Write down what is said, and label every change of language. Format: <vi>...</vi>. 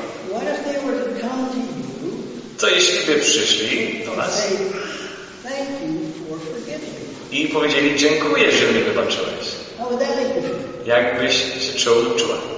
<en>what if they were to come to you,</en> <pl>co jeśli by przyszli do nas</pl> <en>say, thank you for forgiving.</en> <pl>I powiedzieli, dziękuję, że mnie wybaczyłeś. Jak byś się czuła?</pl>